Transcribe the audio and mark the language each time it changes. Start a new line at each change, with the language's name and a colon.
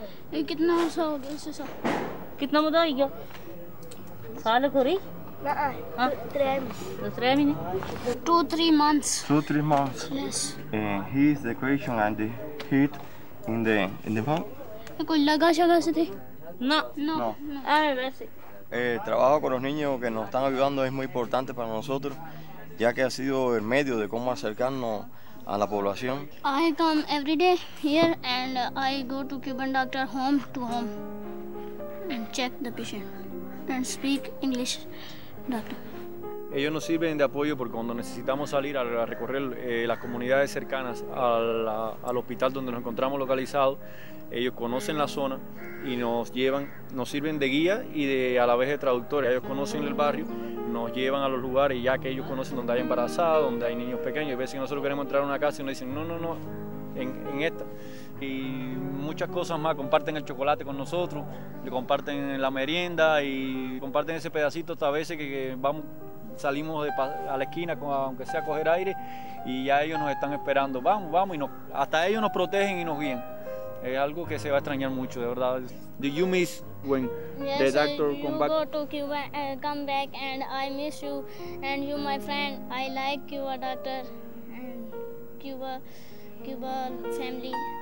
Spanish: ¿Cuánto tiempo es eso? ¿Sale curry? Tres meses.
English: Two, three months. Yes. Here's the question and the heat in the phone.
Spanish: ¿Con la casa que hace? No. Trabajo con los niños que nos están ayudando es muy importante para nosotros, ya que ha sido el medio de cómo acercarnos a la población.
English: I come every day here and I go to Cuban doctor home to home and check the patient and speak English doctor.
Spanish: Ellos nos sirven de apoyo porque cuando necesitamos salir a recorrer las comunidades cercanas al hospital donde nos encontramos localizados, ellos conocen la zona y nos llevan, nos sirven de guía y a la vez de traductores. Ellos conocen el barrio, nos llevan a los lugares, ya que ellos conocen donde hay embarazadas, donde hay niños pequeños. A veces nosotros queremos entrar a una casa y nos dicen, no, en esta. Y muchas cosas más, comparten el chocolate con nosotros, le comparten la merienda y comparten ese pedacito hasta veces que vamos, salimos a la esquina, aunque sea a coger aire, y ya ellos nos están esperando. Vamos, vamos, y hasta ellos nos protegen y nos guían. Es algo que se va a extrañar mucho, de verdad.
English: Do you miss when the doctor come back? Yes, you go to Cuba, come back, and I miss you, and you, my friend. I like Cuba doctor, and Cuba family.